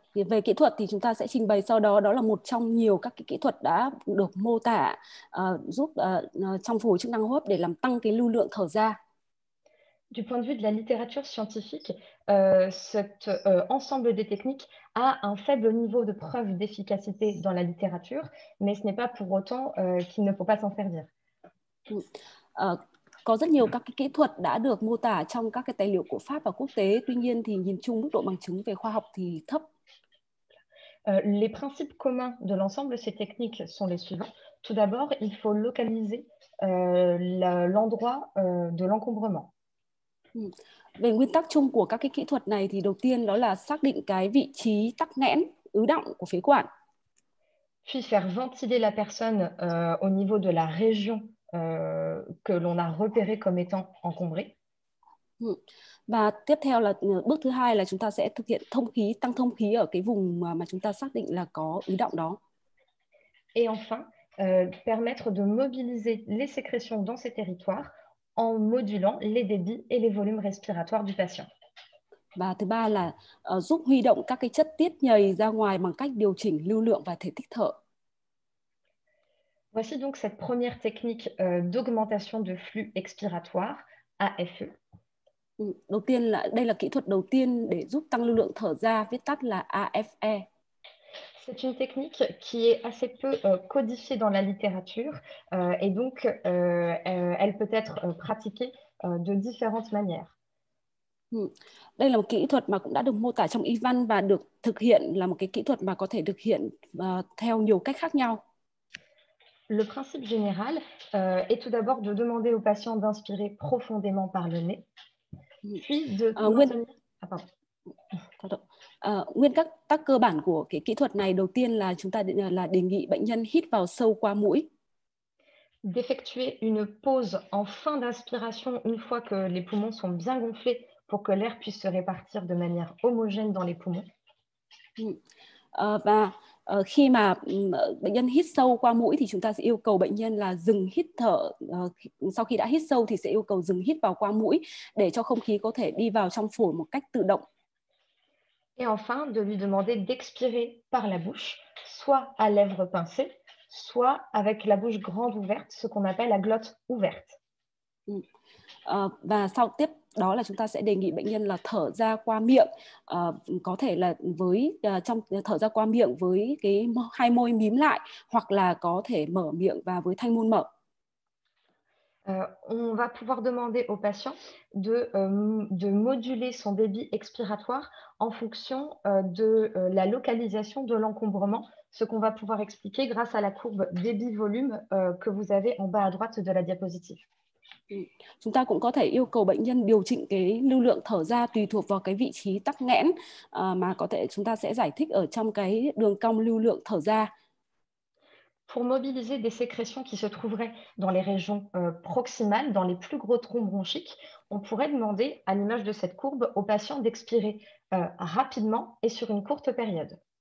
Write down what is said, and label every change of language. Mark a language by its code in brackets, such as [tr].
[vi] Về kỹ thuật thì chúng ta sẽ trình bày sau đó. Đó là một trong nhiều các cái kỹ thuật đã được mô tả giúp trong phục hồi chức năng hô hấp để làm tăng cái lưu lượng thở ra. [fr] Du point de vue de la littérature scientifique, cet ensemble de techniques a un faible niveau de preuve d'efficacité dans la littérature, mais ce n'est pas pour autant qu'il ne faut pas s'en servir. [vi] Có rất nhiều các cái kỹ thuật đã được mô tả trong các cái tài liệu của Pháp và quốc tế, tuy nhiên thì nhìn chung mức độ bằng chứng về khoa học thì thấp. [fr] Les principes communs de l'ensemble de ces techniques sont les suivants. Tout d'abord, il faut localiser l'endroit de l'encombrement. [vi] Về nguyên tắc chung của các cái kỹ thuật này thì đầu tiên đó là xác định cái vị trí tắc nghẽn, ứ đọng của phế quản. [fr] Puis faire ventiler la personne au niveau de la région que l'on a repérée comme étant encombrée. [vi] Và tiếp theo là bước thứ hai là chúng ta sẽ thực hiện thông khí, tăng thông khí ở cái vùng mà chúng ta xác định là có ứ đọng đó. [fr] Et enfin, permettre de mobiliser les sécrétions dans ces territoires en modulant les débits et les volumes respiratoires du patient. [vi] Và thứ ba là giúp huy động các cái chất tiết nhầy ra ngoài bằng cách điều chỉnh lưu lượng và thể tích thở. [fr] Voici donc cette première technique d'augmentation de flux expiratoire, AFE. [vi] Đầu tiên là đây là kỹ thuật đầu tiên để giúp tăng lưu lượng thở ra, viết tắt là AFE. [fr] C'est une technique qui est assez peu codifiée dans la littérature et donc elle peut être pratiquée de différentes manières. [vi] Đây là một kỹ thuật mà cũng đã được mô tả trong y văn và được thực hiện là một cái kỹ thuật mà có thể thực hiện theo nhiều cách khác nhau. [fr] Le principe général est tout d'abord de demander au patient d'inspirer profondément par le nez, puis de maintenir. Ah, pardon. [vi] Nguyên các tắc cơ bản của cái kỹ thuật này đầu tiên là chúng ta là đề nghị bệnh nhân hít vào sâu qua mũi. [fr] D'effectuer une pause en fin d'inspiration une fois que les poumons sont bien gonflés pour que l'air puisse se répartir de manière homogène dans les poumons. [vi] Và khi mà bệnh nhân hít sâu qua mũi thì chúng ta sẽ yêu cầu bệnh nhân là dừng hít thở sau khi đã hít sâu thì sẽ yêu cầu dừng hít vào qua mũi để cho không khí có thể đi vào trong phổi một cách tự động. [fr] Et enfin, de lui demander d'expirer par la bouche, soit à lèvres pincées, soit avec la bouche grande ouverte, ce qu'on appelle la glotte ouverte. [vi] Và sau tiếp đó là chúng ta sẽ đề nghị bệnh nhân là thở ra qua miệng, có thể là với trong thở ra qua miệng với cái hai môi mím lại hoặc là có thể mở miệng và với thanh môn mở. [fr] On va pouvoir demander au patient de moduler son débit expiratoire en fonction de la localisation de l'encombrement, ce qu'on va pouvoir expliquer grâce à la courbe débit-volume que vous avez en bas à droite de la diapositive. [vi] Chúng ta cũng có thể yêu cầu bệnh nhân điều chỉnh cái lưu lượng thở ra tùy thuộc vào cái vị trí tắc nghẽn mà có thể chúng ta sẽ giải thích ở trong cái đường cong lưu lượng thở ra. [fr] Pour mobiliser des sécrétions qui se trouveraient dans les régions proximales, dans les plus gros troncs bronchiques, on pourrait demander, à l'image de cette courbe, au patient d'expirer rapidement et sur une courte période.